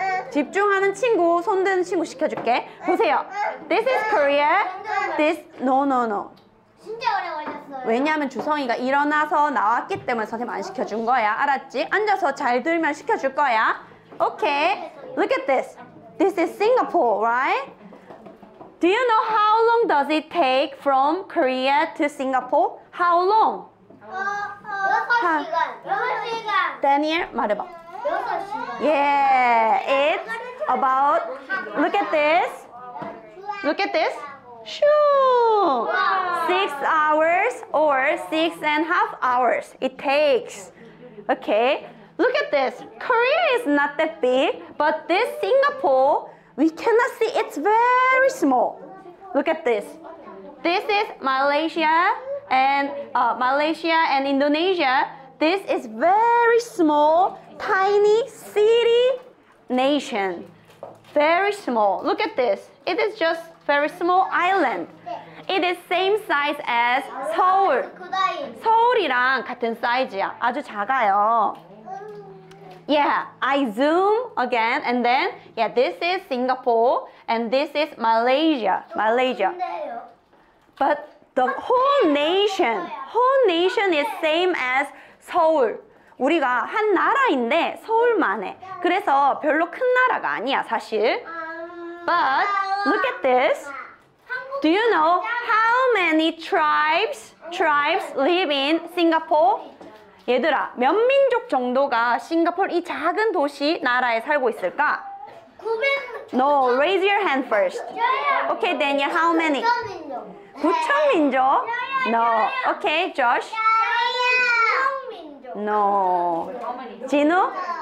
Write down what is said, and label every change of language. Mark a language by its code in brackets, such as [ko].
[ko] 집중하는 친구, 손 드는 친구 시켜줄게. 보세요. [en] This is Korea. This. No, no, no. [ko] 진짜 오래 걸렸어요. 왜냐하면 주성이가 일어나서 나왔기 때문에 선생님 안 시켜준 거야. 알았지? 앉아서 잘 들면 시켜줄 거야. [en] Okay. Look at this. This is Singapore, right? Do you know how long does it take from Korea to Singapore? How long? [ko] 6시간. 6시간. Daniel, 말해봐. 6시간. [en] Yeah, it's about, look at this. Look at this. Shoo! 6 hours or 6.5 hours it takes Okay, look at this. Korea is not that big, but this Singapore, we cannot see. It's very small. Look at this. This is Malaysia and Indonesia. This is very small, tiny city nation. Very small. Look at this. It is just very small island. It is same size as Seoul. [ko] 서울이랑 같은 사이즈야. 아주 작아요. [en] Yeah, I zoom again and then yeah, this is Singapore and this is Malaysia. Malaysia. But the whole nation is same as Seoul. [ko] 우리가 한 나라인데 서울만 해. 그래서 별로 큰 나라가 아니야, 사실. [en] But look at this. Do you know how many tribes live in Singapore? [ko] 얘들아, 몇 민족 정도가 싱가포르 이 작은 도시 나라에 살고 있을까? [en] 900,000. No, raise your hand first. Okay, Daniel, how many? 9,000 [ko] 민족. [en] No. Okay, Josh. 9,000 [ko] 민족. [en] No. [ko] 진우?